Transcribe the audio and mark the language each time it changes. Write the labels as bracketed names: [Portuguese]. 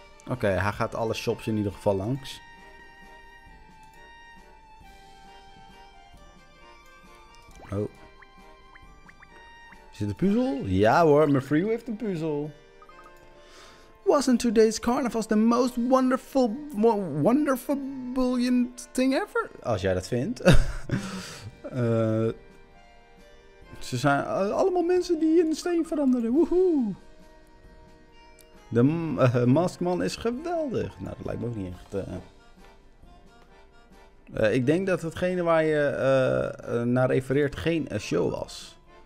[Dutch] Oké, hij gaat alle shops in ieder geval langs. Oh. Is het een puzzel? Ja hoor, mijn vriend heeft een puzzel. [English] Wasn't today's carnival the most wonderful, wonderful, brilliant thing ever? [Dutch] Als jij dat vindt. ze zijn allemaal mensen die in steen veranderen. Woehoe. De maskman is geweldig. Nou, dat lijkt me ook niet echt... ik denk dat hetgene waar je naar refereert geen show was.